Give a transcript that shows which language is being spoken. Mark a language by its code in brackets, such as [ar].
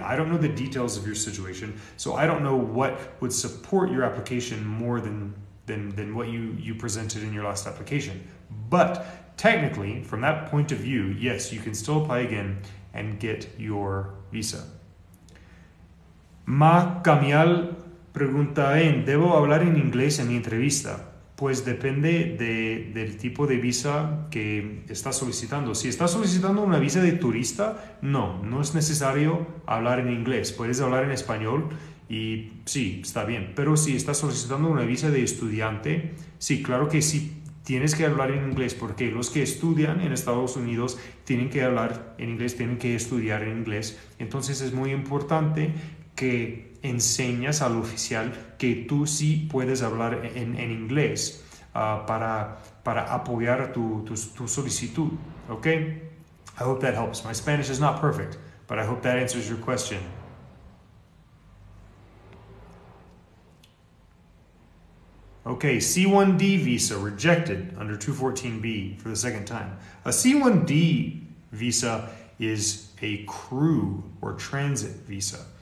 [en] I don't know the details of your situation, so I don't know what would support your application more than what you presented in your last application. But technically, from that point of view, yes, you can still apply again and get your visa. [es] Ma Camial pregunta, ¿debo hablar en inglés en mi entrevista? Pues depende del tipo de visa que estás solicitando. Si estás solicitando una visa de turista, no es necesario hablar en inglés. Puedes hablar en español y sí, está bien. Pero si estás solicitando una visa de estudiante, sí, claro que sí. Tienes que hablar en inglés porque los que estudian en Estados Unidos tienen que hablar en inglés, tienen que estudiar en inglés. Entonces es muy importante que enseñes al oficial que tú sí puedes hablar en inglés para apoyar tu solicitud. [en] Okay? I hope that helps. My Spanish is not perfect, but I hope that answers your question. Okay, C1D visa rejected under 214B for the second time. A C1D visa is a crew or transit visa.